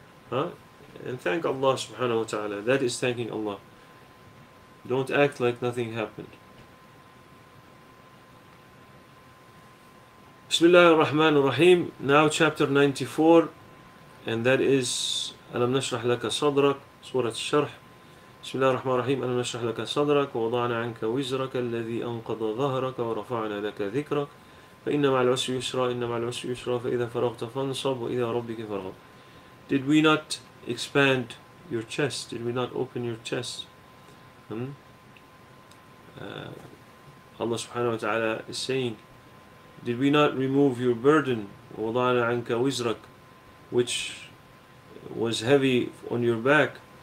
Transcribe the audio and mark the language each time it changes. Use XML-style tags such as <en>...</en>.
<en>And thank Allah subhanahu wa ta'ala. That is thanking Allah. Don't act like nothing happened. Bismillah ar-Rahman ar-Rahim. Now chapter 94, and that is Alam nashrah laka sadrak, Surah Al-Sharh.</en> <ar>بسم الله الرحمن الرحيم أنا نشرح لك صدرك ووضعنا عنك وزرك الذي أنقض ظهرك ورفعنا لك ذكرك فإن مع العسر يسرا إن مع العسر يسرا فإذا فرغت فانصب وإذا ربك فرغ.</ar> <en>Did we not expand your chest? Did we not open your chest? Allah سبحانه وتعالى is saying, did we not remove your burden?</en> <ar>ووضعنا عنك وزرك,</ar> <en>which was heavy on your back.</en>